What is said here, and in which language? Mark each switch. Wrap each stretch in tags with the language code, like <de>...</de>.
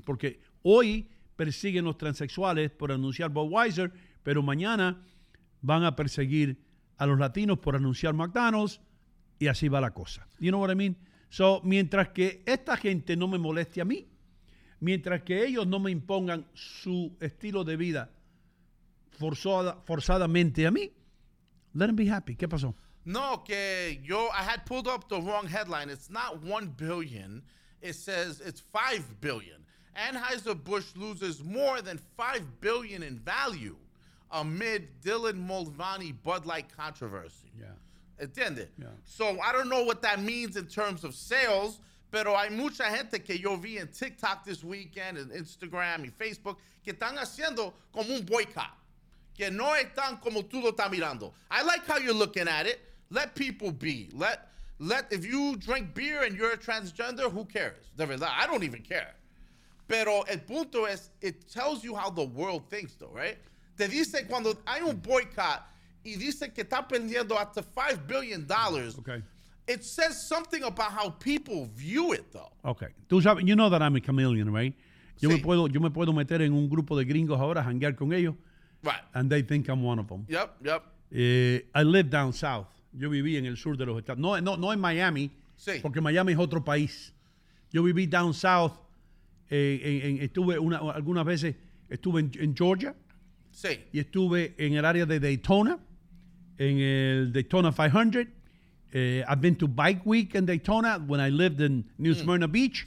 <es>Porque hoy persiguen los transexuales por anunciar Budweiser, pero mañana van a perseguir a los latinos por anunciar McDonald's. Y así va la cosa.</es> <en>You know what I mean?</en> <es>So, mientras que esta gente no me moleste a mí, mientras que ellos no me impongan su estilo de vida forzadamente a mí,</es> <en>let them be happy.</en> <es>¿Qué pasó? No, que yo,</es> <en>I had pulled up the wrong headline. It's not 1 billion. It says it's 5 billion. Anheuser-Busch loses more than 5 billion in value amid Dylan Mulvaney Bud Light controversy. Yeah.</en> <es>¿Entiende?</es> <en>Yeah. So I don't know what that means in terms of sales.</en> <es>Pero hay mucha gente que yo vi en TikTok</es> <en>this weekend,</en> <es>en Instagram y Facebook, que están haciendo como un boycott. Que no están como tú lo estás mirando.</es> <en>I like how you're looking at it. Let people be. Let if you drink beer and you're a transgender, who cares?</en> <es>De verdad,</es> <en>I don't even care.</en> <es>Pero el punto es,</es> <en>it tells you how the world thinks though, right?</en> <es>Te dice cuando hay un boycott y dice que está perdiendo hasta $5 billion.</es> <en>Okay. It says something about how people view it, though. Okay.</en> <es>Tú sabes,</es> <en>you know that I'm a chameleon, right?</en> <es>Yo, sí. me puedo meter en un grupo de gringos ahora, hanguear con ellos.</es> <en>Right. And they think I'm one of them. Yep, yep. I live down south.</en> <es>Yo viví en el sur de los Estados Unidos. No en Miami. Sí. Porque Miami es otro país. Yo viví</es> <en>down south.</en> <es>Estuve algunas veces en Georgia. Sí. Y estuve en el área de Daytona, en el Daytona 500.</es> <en>I've been to Bike Week in Daytona when I lived in New Smyrna Beach.</en>